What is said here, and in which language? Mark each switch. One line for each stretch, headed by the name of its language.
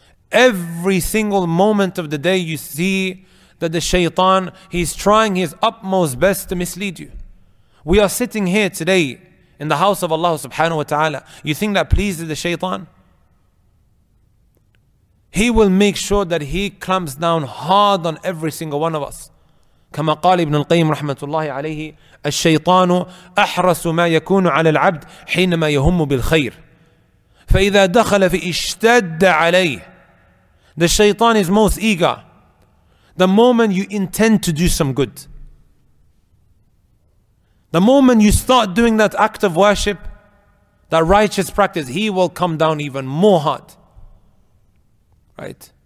English: Every single moment of the day you see that the shaytan, he's trying his utmost best to mislead you. We are sitting here today in the house of Allah subhanahu wa ta'ala. You think that pleases the shaytan? He will make sure that he clamps down hard on every single one of us.
Arabic: كما قال ابن القيم رحمة الله عليه, الشيطان أحرس ما يكون على العبد حينما يهم بالخير. فإذا دخل في اشتد عليه.
English: The shaytan is most eager. The moment you intend to do some good, the moment you start doing that act of worship, that righteous practice, he will come down even more hard. Right?